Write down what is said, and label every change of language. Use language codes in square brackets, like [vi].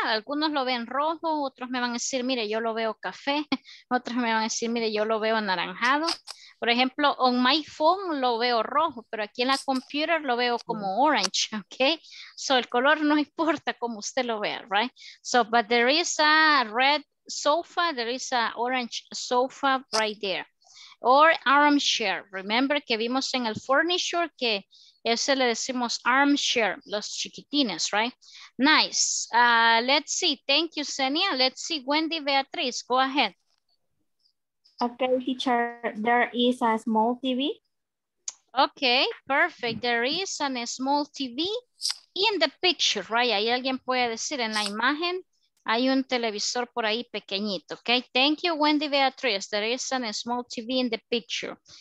[es] Algunos lo ven rojo, otros me van a decir, mire, yo lo veo café. Otros me van a decir, mire, yo lo veo anaranjado. Por ejemplo, [en] on my phone [es] lo veo rojo, pero aquí en la computer lo veo como orange, okay? So el color no importa como usted lo vea, right? [en] So, but there is a red sofa, there is a orange sofa right there. [es] Or armchair. [en] Remember [es] que vimos en el furniture que ese le decimos armchair, los chiquitines, right? Nice. [en] Let's see. Thank you, Senia. Let's see, Wendy Beatriz. Go ahead. Okay, teacher, there is a small TV. Okay, perfect. There is a small TV in the picture, right? [es] Ahí alguien puede decir en la imagen, hay un televisor por ahí pequeñito, okay? [en] Thank you, Wendy Beatriz. There is a small TV in the picture.